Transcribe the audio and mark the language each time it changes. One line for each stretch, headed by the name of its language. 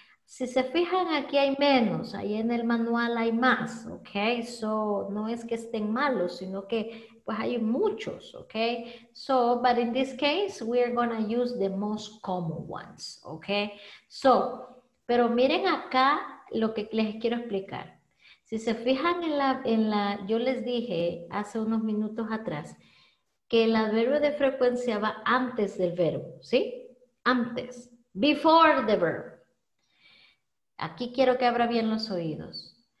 Spanish: Si se fijan, aquí hay menos, ahí en el manual hay más, ¿ok? So, no es que estén malos, sino que pues hay muchos, ¿ok?
English: So, but in this case, we are going to use the most common ones, ¿ok?
Spanish: So, pero miren acá lo que les quiero explicar. Si se fijan en la, yo les dije hace unos minutos atrás, que el adverbio de frecuencia va antes del verbo, ¿sí? Antes,
English: before the verb.
Spanish: Aquí quiero que abra bien los oídos.